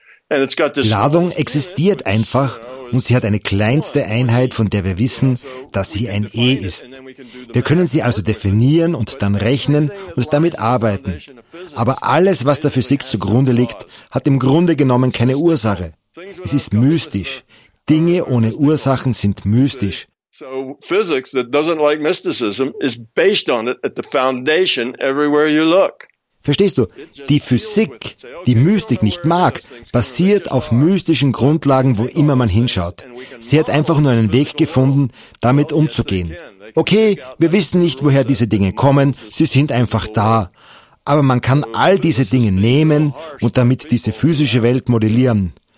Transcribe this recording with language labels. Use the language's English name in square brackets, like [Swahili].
[German] Ladung existiert einfach und sie hat eine kleinste Einheit, von der wir wissen, dass sie ein E ist. Wir können sie also definieren und dann rechnen und damit arbeiten. Aber alles, was der Physik zugrunde liegt, hat im Grunde genommen keine Ursache. Es ist mystisch. Dinge ohne Ursachen sind mystisch. [English] So physics that doesn't like mysticism is based on it at the foundation everywhere you look. [German] Verstehst du? Die Physik, die Mystik nicht mag, basiert auf mystischen Grundlagen, wo immer man hinschaut. Sie hat einfach nur einen Weg gefunden, damit umzugehen. Okay, wir wissen nicht, woher diese Dinge kommen, sie sind einfach da. Aber man kann all diese Dinge nehmen und damit diese physische Welt modellieren.